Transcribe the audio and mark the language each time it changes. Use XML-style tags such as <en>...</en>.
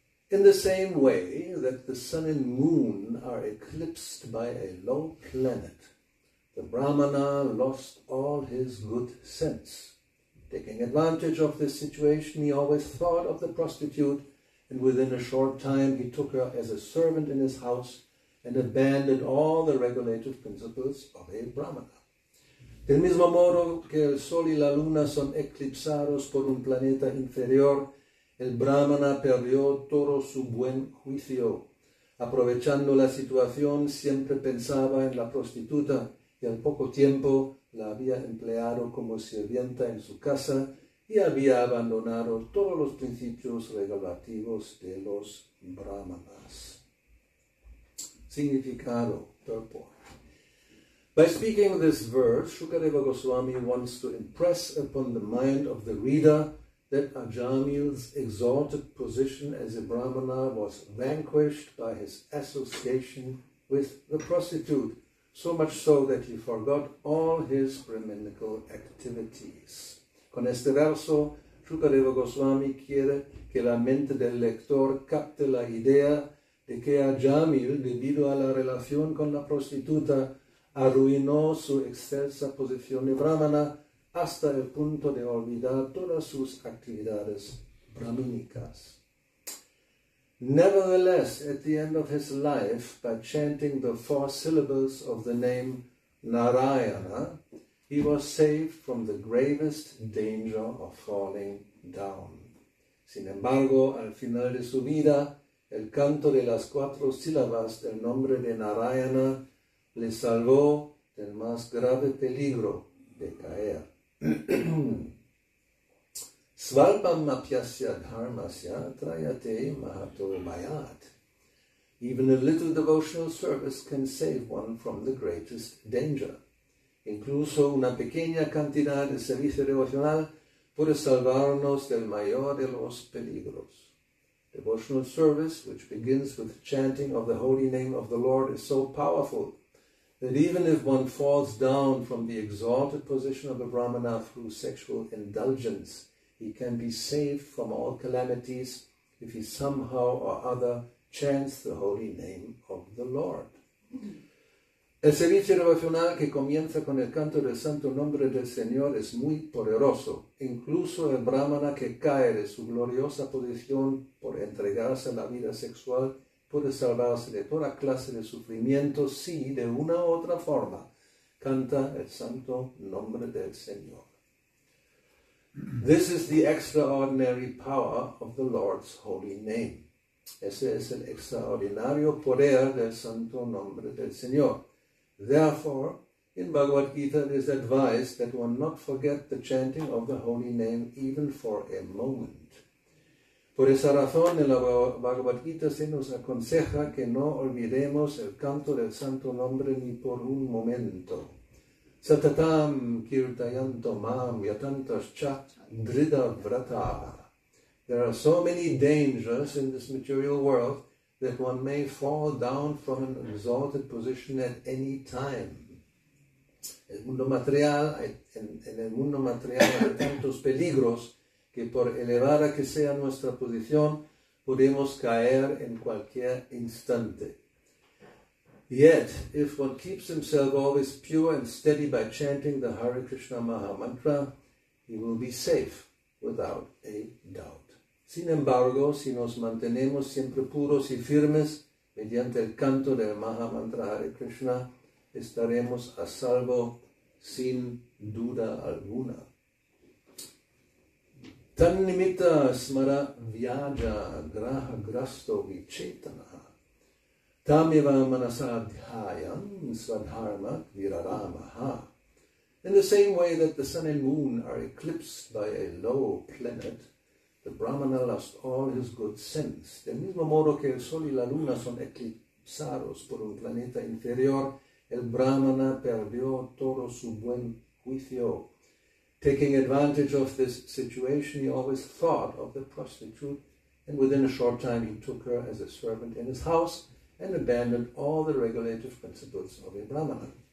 <en>In the same way that the sun and moon are eclipsed by a low planet, the brahmana lost all his good sense. Taking advantage of this situation, he always thought of the prostitute, and within a short time he took her as a servant in his house and abandoned all the regulative principles of a brahmana.</en> <es>Del mismo modo que el sol y la luna son eclipsados por un planeta inferior, el brahmana perdió todo su buen juicio. Aprovechando la situación, siempre pensaba en la prostituta y al poco tiempo la había empleado como sirvienta en su casa y había abandonado todos los principios regulativos de los brahmanas. Significado, purport.</es> <en>By speaking this verse, Shukadeva Goswami wants to impress upon the mind of the reader that Ajamil's exalted position as a brahmana was vanquished by his association with the prostitute, so much so that he forgot all his brahminical activities.</en> <es>Con este verso, Shukadeva Goswami quiere que la mente del lector capte la idea de que Ajamil, debido a la relación con la prostituta, arruinó su excelsa posición de brahmana hasta el punto de olvidar todas sus actividades brahmínicas.</es> <en>Nevertheless, at the end of his life, by chanting the four syllables of the name Narayana, he was saved from the gravest danger of falling down.</en> <es>Sin embargo, al final de su vida, el canto de las cuatro sílabas del nombre de Narayana le salvó del más grave peligro de caer.</es> <sa>Svalpam apyasya dharmasya trayate mahato mayat.</sa> <en>Even a little devotional service can save one from the greatest danger.</en> <es>Incluso una pequeña cantidad de servicio devocional puede salvarnos del mayor de los peligros.</es> <en>Devotional service, which begins with chanting of the holy name of the Lord, is so powerful that even if one falls down from the exalted position of a brahmana through sexual indulgence, he can be saved from all calamities if he somehow or other chants the holy name of the Lord.</en> <es>El servicio devocional que comienza con el canto del santo nombre del Señor es muy poderoso. Incluso el brahmana que cae de su gloriosa posición por entregarse a la vida sexual puede salvarse de toda clase de sufrimiento si, de una u otra forma, canta el santo nombre del Señor.</es> <en>This is the extraordinary power of the Lord's holy name.</en> <es>Ese es el extraordinario poder del santo nombre del Señor.</es> <en>Therefore, in Bhagavad Gita, it is advised that one not forget the chanting of the holy name even for a moment.</en> <es>Por esa razón, en la Bhagavad Gita se nos aconseja que no olvidemos el canto del santo nombre ni por un momento.</es> <sa>Satatam kirtayanto mam yatantas cha drida vrata.</sa> <en>There are so many dangers in this material world that one may fall down from an exalted position at any time.</en> <es>En el mundo material hay tantos peligros que por elevada que sea nuestra posición, podemos caer en cualquier instante.</es> <en>Yet, if one keeps himself always pure and steady by chanting the Hare Krishna Maha Mantra, he will be safe without a doubt.</en> <es>Sin embargo, si nos mantenemos siempre puros y firmes mediante el canto del Maha Mantra Hare Krishna, estaremos a salvo sin duda alguna.</es> <sa>Tan nimitta smara vyaja graha grasto vichetana tameva manasadhyayam svadharma viraramaha.</sa> <en>In the same way that the sun and moon are eclipsed by a low planet, the brahmana lost all his good sense.</en> <es>Del mismo modo que el sol y la luna son eclipsados por un planeta inferior, el brahmana perdió todo su buen juicio.</es> <en>Taking advantage of this situation, he always thought of the prostitute, and within a short time he took her as a servant in his house and abandoned all the regulative principles of a brahmana.</en>